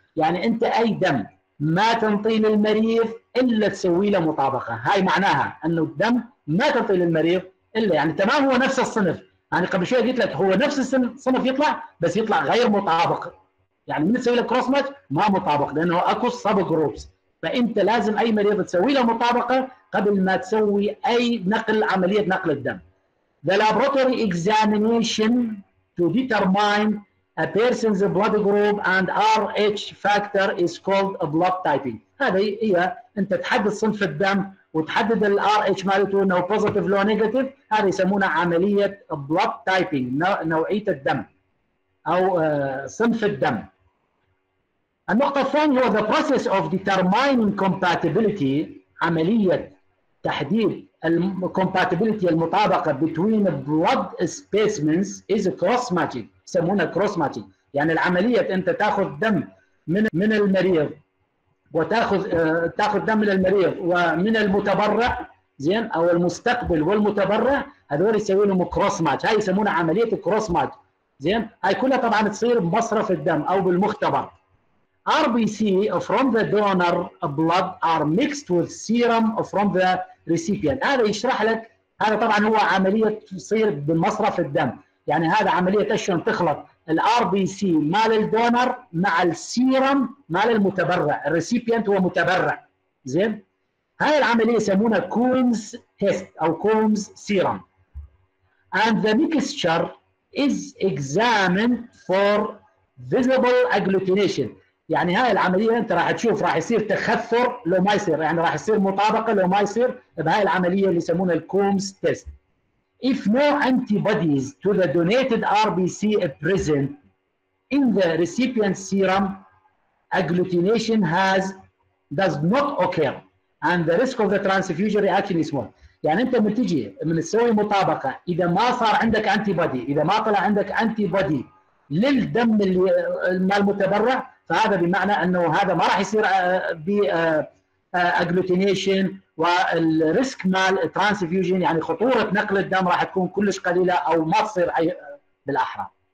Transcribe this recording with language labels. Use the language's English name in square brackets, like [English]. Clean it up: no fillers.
[Arabic] يعني انت اي دم ما تنطي للمريض الا تسوي له مطابقه، هاي معناها انه الدم ما تنطي للمريض الا يعني تمام هو نفس الصنف، يعني قبل شوي قلت لك هو نفس الصنف يطلع بس يطلع غير مطابق. يعني من تسوي له كروس ماتش ما مطابق لانه اكو سب جروبس. فانت لازم اي مريض تسوي له مطابقه قبل ما تسوي اي نقل عمليه نقل الدم. [English] The laboratory examination to determine a person's blood group and Rh factor is called a blood typing. [Arabic] هذا هي انت تحدد صنف الدم وتحدد ال Rh مالته انه positive لو negative، هذا يسمونه عمليه blood typing، نوعيه الدم او صنف الدم. النقطة الثانية هو [English] the process of determining compatibility، [Arabic] عملية تحديد الكومباتيبلتي المطابقة [English] between blood specimens is cross matching، [Arabic] يسمونها [English] cross matching. [Arabic] يعني العملية انت تاخذ دم من المريض وتاخذ تاخذ دم من المريض ومن المتبرع زين او المستقبل والمتبرع، هذول يسوي لهم cross match، هاي يسمونها عملية cross match زين. هاي كلها طبعا تصير بمصرف الدم او بالمختبر. [English] RBC from the donor blood are mixed with serum from the recipient. [Arabic] هذا يشرح لك، هذا طبعا هو عملية تصير بمصرف الدم، يعني هذا عملية شلون تخلط ال RBC مال الدونر مع السيرم مال المتبرع، الريسيبيانت هو متبرع زين. هاي العملية يسمونها كومز تيست او كومز سيرم. [English] And the mixture is examined for visible agglutination. [Arabic] يعني هاي العمليه انت راح تشوف راح يصير تخثر لو ما يصير، يعني راح يصير مطابقه لو ما يصير، بهاي العمليه اللي يسمونها الكومز تيست. [English] If no antibodies to the donated RBC present in the recipient serum, agglutination does not occur and the risk of the transfusion reaction is small. [Arabic] يعني انت من تجي من تسوي مطابقه اذا ما صار عندك انتيبادي، اذا ما طلع عندك انتيبادي للدم المال المتبرع، فهذا بمعنى انه هذا ما راح يصير ب اجلوتينيشن، والريسك مال ترانسفيوجن يعني خطوره نقل الدم راح تكون كلش قليله او ما تصير اي بالاحرى.